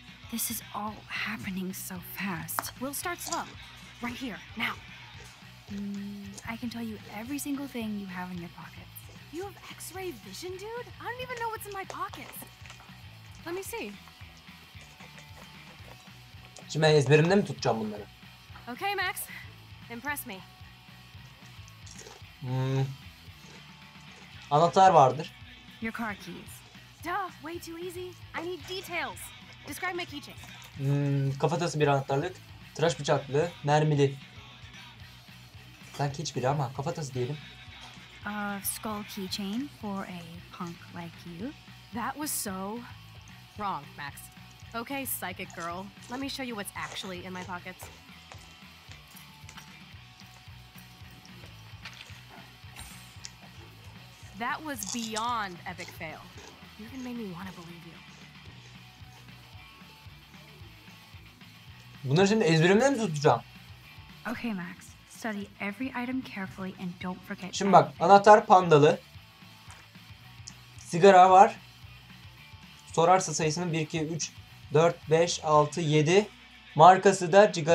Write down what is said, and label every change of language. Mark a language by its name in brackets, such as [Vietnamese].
[English] This is all happening so fast. We'll start slow. Right here, now. I can tell you every single thing you have in your pockets. You have x-ray vision, dude? I don't even know what's in my pockets. Let me see. [Turkish] Şimdi ezberimde mi tutacağım bunları? [English] Okay, Max. Impress me. [Turkish] Anahtar vardır. [English] Your car keys. Duh, way too easy. I need details. Describe my keychain. [Turkish] Kafatası bir anahtarlık. Tıraş bıçaklı, mermili. Sanki hiçbiri ama kafatası diyelim. [English] A skull keychain for a punk like you. That was so wrong, Max. Okay, psychic girl. Let me show you what's actually in my pockets. That was beyond epic fail. You even made me want to believe you. [Turkish] Bunları şimdi ezberimden mi tutacağım? [English] Okay, Max. Study every item carefully and don't forget. [Turkish] Şimdi bak, anahtar pandalı. Sigara var. Sorarsa sayısının 1 2 3 4 5 6 7 markası da